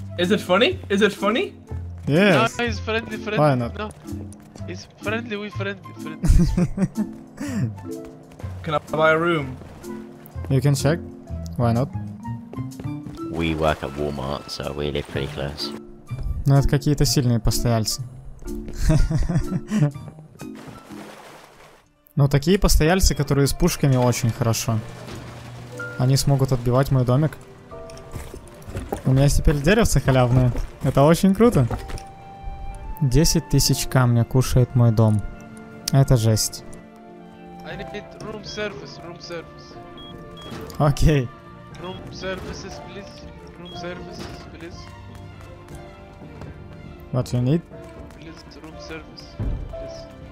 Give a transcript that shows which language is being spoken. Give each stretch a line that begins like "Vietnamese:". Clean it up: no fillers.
English: Is it funny? Is it funny? Yes. No, he's friendly. Why not? No. He's friendly, we friendly. Can I buy a room? You can check. Why not? We work at Walmart, so we live pretty close.
Russian: Ну это какие-то сильные постояльцы. Ну такие постояльцы, которые с пушками очень хорошо. Они смогут отбивать мой домик. У меня теперь деревце халявное. Это очень круто. 10 тысяч камня кушает мой дом. Это жесть.
English: I need room service, room service.
Russian: Окей.
English: Room services, please. Room services, please. What you need? Please, room service, please.